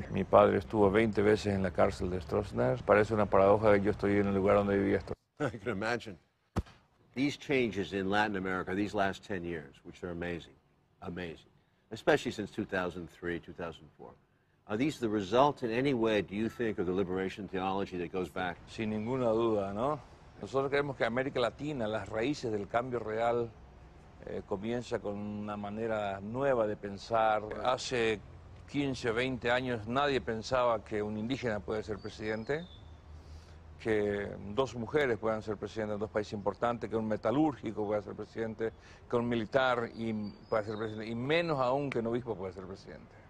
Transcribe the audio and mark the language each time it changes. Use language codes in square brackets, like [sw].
[es] Mi padre estuvo 20 veces en la cárcel de Stroessner. Parece una paradoja que yo estoy en el lugar donde vivía Stroessner. [en] I can imagine. These changes in Latin America, these last 10 years, which are amazing, amazing. Especially since 2003, 2004. Are these the result in any way, do you think, of the liberation theology that goes back? [es] Sin ninguna duda, ¿no? Nosotros creemos que América Latina, las raíces del cambio real, comienza con una manera nueva de pensar. Hace 15, 20 años nadie pensaba que un indígena puede ser presidente, que dos mujeres puedan ser presidentes en dos países importantes, que un metalúrgico pueda ser presidente, que un militar pueda ser presidente, y menos aún que un obispo pueda ser presidente.